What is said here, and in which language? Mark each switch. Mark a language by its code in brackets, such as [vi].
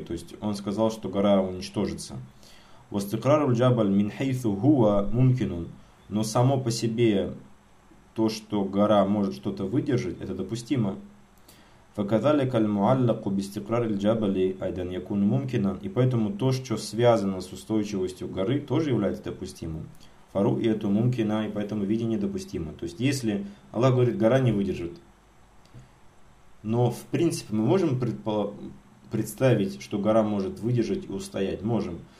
[ru] То есть он сказал, что гора уничтожится. [ar] Вастикрар иль-джабаль мин хейсу хуа мумкинун. [ru] Но само по себе то, что гора может что-то выдержать, это допустимо. [ar] فكذلك المعلق باستقرار الجبل أيضا يكون ممكنا. [ru] И поэтому то, что связано с устойчивостью горы, тоже является допустимым. [ar] فرؤية ممكنة, [ru] и поэтому видение допустимо. То есть если Аллах говорит, гора не выдержит. Но в принципе мы можем представить, что гора может выдержать и устоять. Можем.